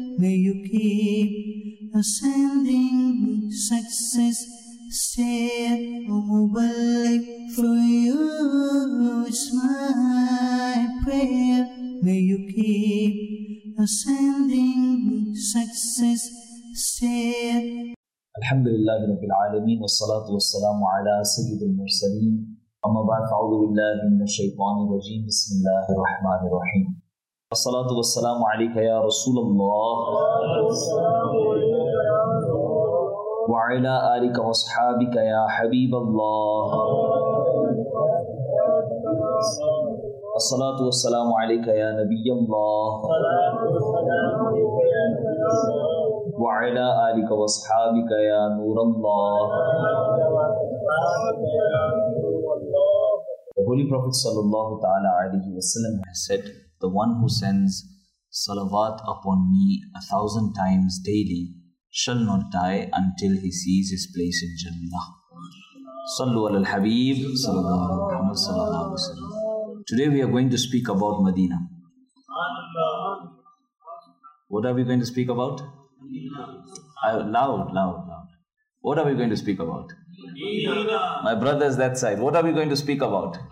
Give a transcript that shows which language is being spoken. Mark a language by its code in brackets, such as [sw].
[en] May you keep ascending success stair. Mubarak for you, it's my prayer. May you keep ascending success stair. [ar] Alhamdulillah, Rabbil Alameen, wa salatu wa salamu ala Sayyidil Mursaleen. أما بعد فأعوذ بالله من الشيطان الرجيم بسم الله الرحمن الرحيم والصلاة والسلام عليك يا رسول الله وعلى آلك وأصحابك يا حبيب الله والصلاة والسلام عليك يا نبي الله وعلى آلك وأصحابك يا نور الله [en] The Holy Prophet sallallahu ta'ala alayhi wa sallam has said, The one who sends salawat upon me 1,000 times daily shall not die until he sees his place in Jannah. [ar] Sallu ala al-Habib sallallahu alayhi wa sallam. [en] Today we are going to speak about Medina. What are we going to speak about? Loud. What are we going to speak about? Medina. My brothers that side, what are we going to speak about?